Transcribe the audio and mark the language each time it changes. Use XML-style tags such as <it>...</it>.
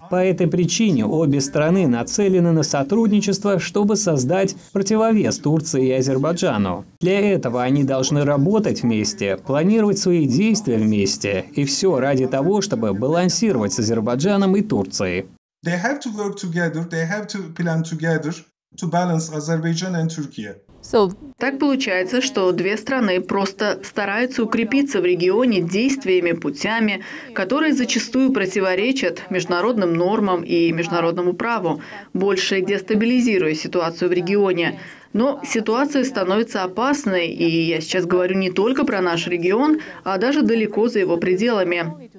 <ru>По этой причине обе страны нацелены на сотрудничество, чтобы создать противовес Турции и Азербайджану. Для этого они должны работать вместе, планировать свои действия вместе, и все ради того, чтобы балансировать с Азербайджаном и Турцией.</ru> <en>They have to work together, they have to plan together to balance Azerbaijan and Turkey.</en> <ru>Так получается, что две страны просто стараются укрепиться в регионе действиями, путями, которые зачастую противоречат международным нормам и международному праву, больше дестабилизируя ситуацию в регионе. Но ситуация становится опасной, и я сейчас говорю не только про наш регион, а даже далеко за его пределами.</ru>